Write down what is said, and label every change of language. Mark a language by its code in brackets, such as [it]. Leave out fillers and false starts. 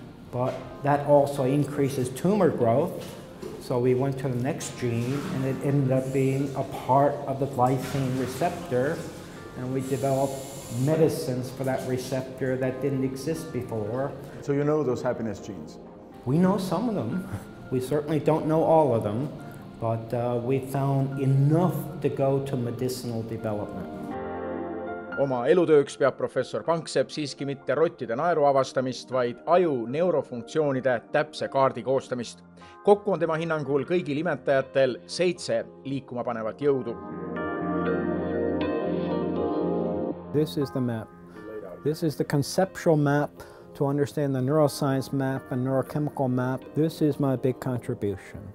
[en] But that also increases tumor growth, so we went to the next gene, and it ended up being a part of the glycine receptor, and we developed medicines for that receptor that didn't exist before. So you know those happiness genes? We know some of them. We certainly don't know all of them. But we found enough to go to medicinal development. [et] Oma elutööks peab professor Panksepp siiski mitte rottide naeru avastamist, vaid aju neurofunktsioonide täpse kaardi koostamist. Kokku on tema hinnangul kõigil imetajatel 7 liikuma panevat jõudu. [en] This is the map. This is the conceptual map to understand the neuroscience map and neurochemical map. This is my big contribution.